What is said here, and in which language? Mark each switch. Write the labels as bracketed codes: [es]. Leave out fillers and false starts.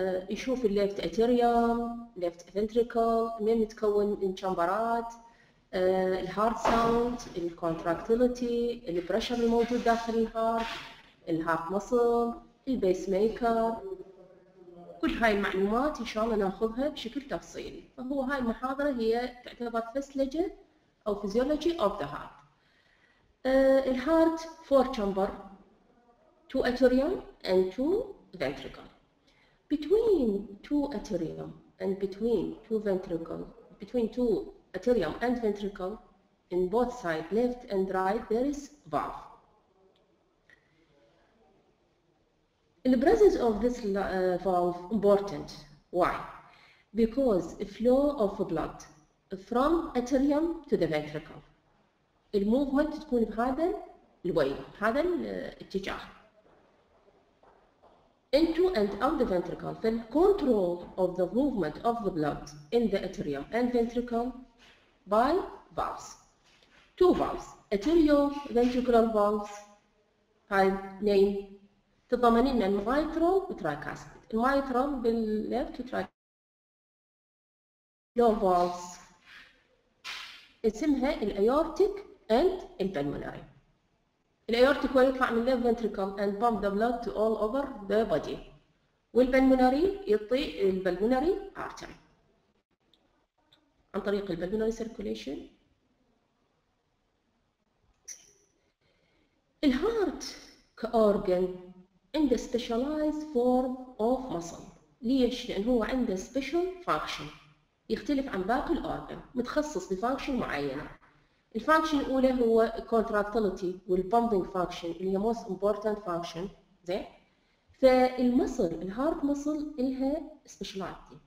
[ar] يشوف الليفت أتريوم، ليفت فنتريكل، من يتكون من تشامبرات، الهارت ساوند، الكونتراكتيليتي، البريشر الموجود داخل الهارت، الهارت مصل، البيس ميكر، كل هاي المعلومات ان شاء الله ناخذها بشكل تفصيلي. فهو هاي المحاضرة هي تعتبر فسلجة او فيزيولوجي اوف ذا هارت. [en] الهارت four chamber, two atrium and two ventricle. Between two atrium and between two ventricle, between two atrium and ventricle in both sides left and right there is valve. The presence of this valve important. Why? Because flow of blood from atrium to the ventricle. The movement [ar] تكون بهذا الوي، هذا الاتجاه. [en] Into and out the ventricle. The control of the movement of the blood in the atrium and ventricle by valves. Two valves. Atrioventricular valves. هاي name. [ar] تضمنين من mitral و tricuspid. [en] Mitral بال left و tricuspid. Low valves. [ar] اسمها الأيورتيك and البلموناري. الأيورتيك هو يطلع من [en] left ventricle and pump the blood to all over the body. [ar] والبلموناري يطي البلموناري artery. عن طريق البلمونري سيركوليشن. [en] الهارت كأورجن عنده specialized form of muscle. [ar] ليش؟ لأن هو عنده special function يختلف عن باقي الأورجن، متخصص بفانكشن معينة. [en] الفانكشن الأولى هو contractility والبامبنج function اللي هي most important function. [ar] زين؟ فالمصل الهارت مصل إلها سبيشاليتي.